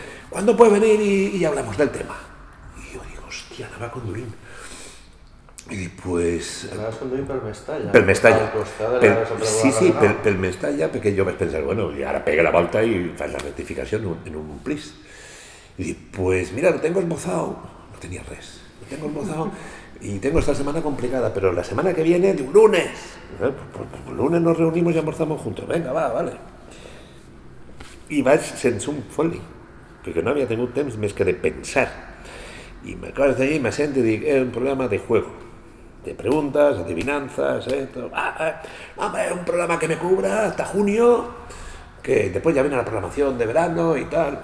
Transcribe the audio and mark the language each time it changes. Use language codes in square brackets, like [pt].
[es] ¿cuándo puedes venir y hablamos del tema? Y yo digo, hostia, nada más con Durín. [ca] I dic, pues... Saps que em duim Pelmestalla? Pelmestalla. Al costat de la Pelmestalla. Sí, sí, Pelmestalla, perquè jo vaig pensar, bueno, i ara pega la volta i faig la rectificació en un plis. I dic, [es] pues mira, lo tengo esbozado. [ca] No tenia res. [es] Lo tengo esbozado y tengo esta semana complicada, pero la semana que viene, de un lunes. Pues lunes nos reunimos y almorzamos juntos. Venga, va, vale. [ca] I vaig sense un foli, perquè no havia tingut temps més que de pensar. [es] Y me acuerdo de allí, me asento y digo, es un programa de juego, de preguntas, adivinanzas, esto. Es un programa que me cubra hasta junio, que después ya viene la programación de verano y tal.